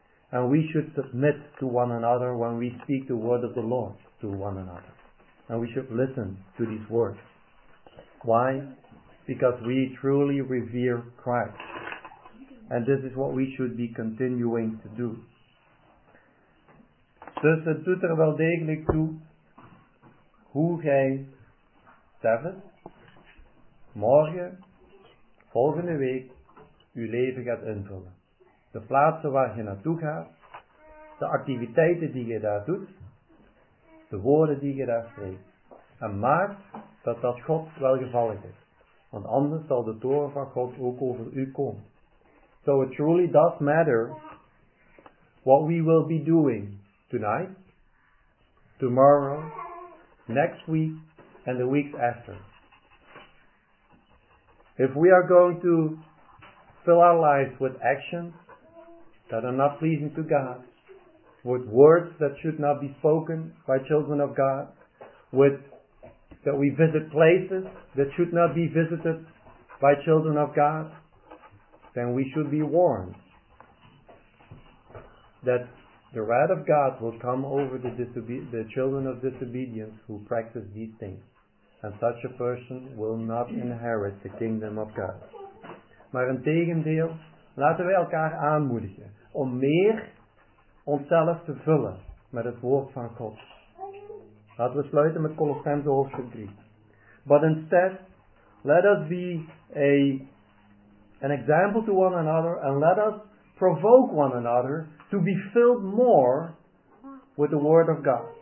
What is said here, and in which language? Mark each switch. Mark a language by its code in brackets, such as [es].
[en] And we should submit to one another when we speak the word of the Lord to one another. And we should listen to these words. Why? Because we truly revere Christ. And this is what we should be continuing to do. [nl] Dus het doet er wel degelijk toe hoe jij zelf morgen, volgende week, je leven gaat invullen. De plaatsen waar je naartoe gaat, de activiteiten die je daar doet, de woorden die je daar spreekt. En maak dat God welgevallig is. Want anders zal de toren van God ook over u komen. [en] So it truly does matter what we will be doing tonight, tomorrow, next week, and the weeks after. If we are going to fill our lives with actions that are not pleasing to God, with words that should not be spoken by children of God, that we visit places that should not be visited by children of God, then we should be warned that the wrath of God will come over the children of disobedience who practice these things. And such a person will not inherit the kingdom of God. [nl] Maar in tegendeel, laten wij elkaar aanmoedigen om meer onszelf te vullen met het woord van God. Laten we sluiten met Colossenzen hoofdstuk 3. [en] But instead, let us be an example to one another, and let us provoke one another to be filled more with the word of God.